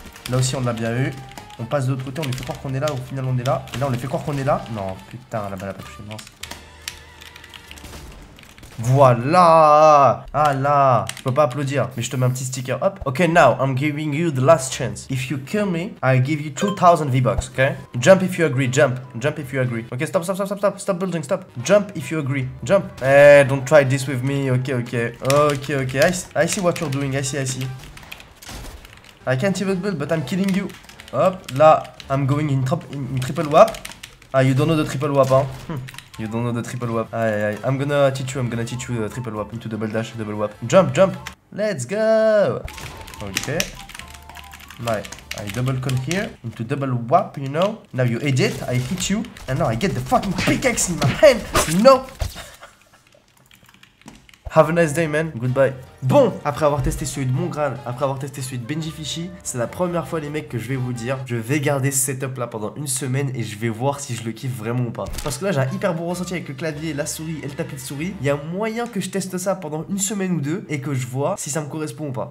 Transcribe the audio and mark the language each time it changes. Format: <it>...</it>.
<fr>Là aussi on l'a bien eu. On passe de l'autre côté, on lui fait croire qu'on est là, au final on est là. Et là on lui fait croire qu'on est là. Non, putain, la balle a pas touché, non. Voilà. Ah là. Je peux pas applaudir, mais je te mets un petit sticker, hop.</fr> <en>Ok, now, I'm giving you the last chance. If you kill me, I give you 2000 V-Bucks, ok. Jump if you agree, jump. Jump if you agree. Ok, stop, stop, stop, stop, stop. Stop building, stop. Jump if you agree, jump. Eh, hey, don't try this with me, ok, ok. Ok, ok, I see what you're doing, I see. I can't even build, but I'm killing you.</en> <fr>Hop, là,</fr> <en>I'm going in triple whap. Ah, you don't know the triple whap,</en> <fr>hein.</fr> <en>You don't know the triple whap. Aïe aïe aïe. I'm gonna teach you the triple whap. Into double dash, double whap. Jump, jump. Let's go. Ok. I double con here. Into double whap, you know. Now you edit, I hit you. And now I get the fucking pickaxe in my hand. No. Have a nice day, man. Goodbye.</en> <fr>Bon, après avoir testé celui de Mongral, après avoir testé celui de Benji Fishy, c'est la première fois, les mecs, que je vais vous dire. Je vais garder ce setup-là pendant une semaine et je vais voir si je le kiffe vraiment ou pas. Parce que là, j'ai un hyper bon ressenti avec le clavier, la souris et le tapis de souris. Il y a moyen que je teste ça pendant une semaine ou deux et que je vois si ça me correspond ou pas.</fr>